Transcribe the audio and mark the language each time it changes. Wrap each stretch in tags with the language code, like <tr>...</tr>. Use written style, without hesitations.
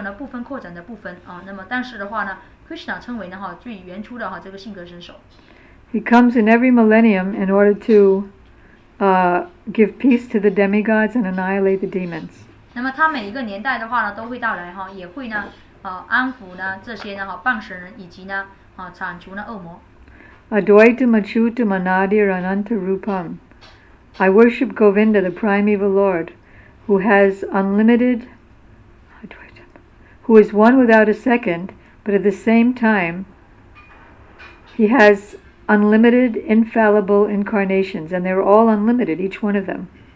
<zh>这个部分扩展的，就是说部分的扩展，也有呢部分扩展的部分，那么但是的话呢， Krishna 称为呢最原初的这个性格神手。</zh> <en>He comes in every millennium in order to give peace to the demigods and annihilate the demons.</en> <zh>那么他每一个年代的话呢都会到来，也会呢安抚呢这些呢半神人，以及呢铲除呢恶魔。</zh> <sa>Adwaitam Achyutam Anadir Ananta Rupam.</sa> <en>I worship Govinda, the primeval Lord, who has unlimited, who is one without a second, but at the same time, he has unlimited, infallible incarnations, and they're all unlimited, each one of them.</en>